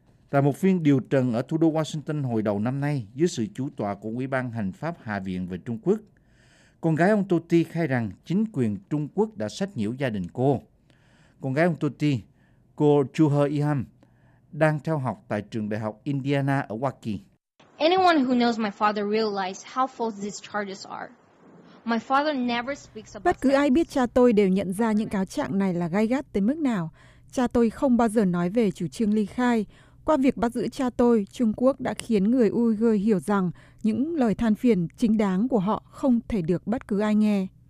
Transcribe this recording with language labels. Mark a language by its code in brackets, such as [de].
[vi] Tại một phiên điều trần ở thủ đô Washington hồi đầu năm nay dưới sự chủ tọa của Ủy ban Hành pháp Hạ viện về Trung Quốc, con gái ông Totti khai rằng chính quyền Trung Quốc đã sách nhiễu gia đình cô. Con gái ông Totti, cô Chu He Iham, đang theo học tại trường đại học Indiana ở Hoa Kỳ. [en] Anyone who knows my father realizes how false these charges are. My father never speaks about. [vi] Bất cứ ai biết cha tôi đều nhận ra những cáo trạng này là gay gắt tới mức nào. Cha tôi không bao giờ nói về chủ trương ly khai. Qua việc bắt giữ cha tôi, Trung Quốc đã khiến người Uyghur hiểu rằng những lời than phiền chính đáng của họ không thể được bất cứ ai nghe.